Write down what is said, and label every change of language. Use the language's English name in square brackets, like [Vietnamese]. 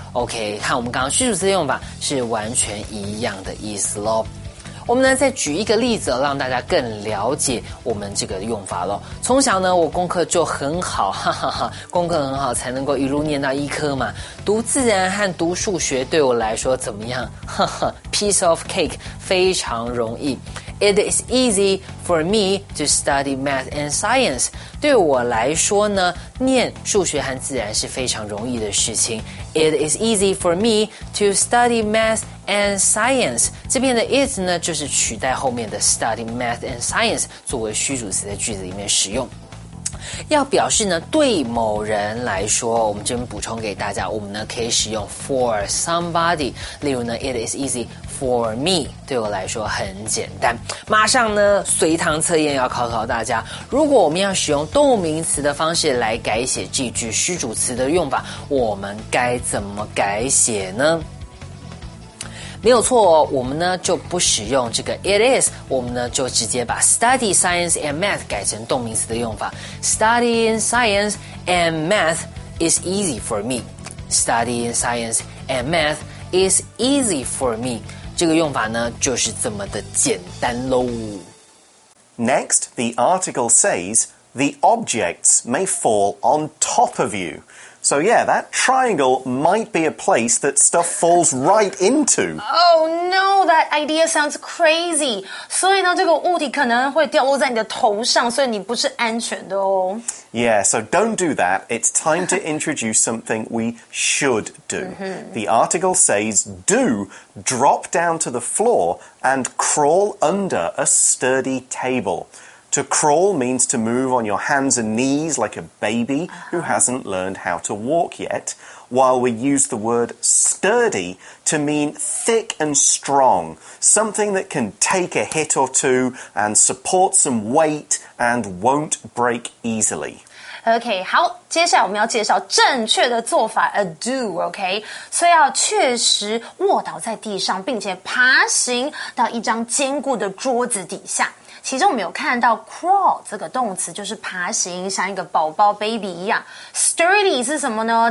[Chinese] OK， 看我们刚刚虚主词的用法是完全一样的意思咯。我们呢再举一个例子，让大家更了解我们这个用法咯。从小呢，我功课就很好，哈哈哈，功课很好才能够一路念到医科嘛。读自然和读数学对我来说怎么样？哈哈 ， [English] piece of cake， [Chinese] 非常容易。 [English] It is easy for me to study math and science。 [Chinese] 对我来说呢，念数学和自然是非常容易的事情。 [English] It is easy for me to study math and science。 [Chinese] 这边的 is 呢，就是取代后面的 study math and science 作为虚主词的句子里面使用。要表示呢，对某人来说，我们这边补充给大家，我们呢可以使用 for somebody。例如呢 ， [English] It is easy for me， [Chinese] 对我来说很简单。马上呢，随堂测验要考考大家，如果我们要使用动名词的方式来改写这句虚主词的用法，我们该怎么改写呢？没有错哦，我们呢就不使用这个 it is， 我们呢就直接把 study science and math 改成动名词的用法。 [English] Studying science and math is easy for me. Studying science and math is easy for me. [Chinese] 这个用法呢就是这么的简单咯。 [English] Next, the article says the objects may fall on top of you. So yeah, that triangle might be a place that stuff falls right into. Oh no, that idea sounds crazy. [Chinese] 所以呢，这个物体可能会掉落在你的头上，所以你不是安全的哦。 [English] Yeah, so don't do that. It's time to introduce something we should do. The article says, do drop down to the floor and crawl under a sturdy table. To crawl means to move on your hands and knees like a baby who hasn't learned how to walk yet, while we use the word sturdy to mean thick and strong, something that can take a hit or two and support some weight and won't break easily. [Chinese] OK， 好，接下来我们要介绍正确的做法 ，a do。 OK， 所以要确实卧倒在地上，并且爬行到一张坚固的桌子底下。其中我们有看到 crawl 这个动词就是爬行，像一个宝宝 baby 一样。 sturdy 是什么呢？